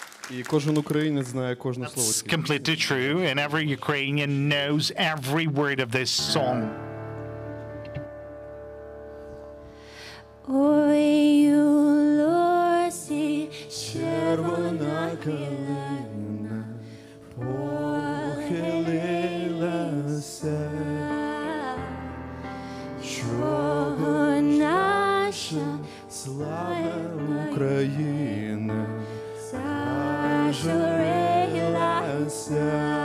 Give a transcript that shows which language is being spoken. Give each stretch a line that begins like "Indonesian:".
Ukrainian: І кожен українець знає кожне слово.
English: That's completely true, and every Ukrainian knows every word of this song.
Ukrainian: Ой, у лосі червона калина похилилася. Чого наша слава Україна зажурилася?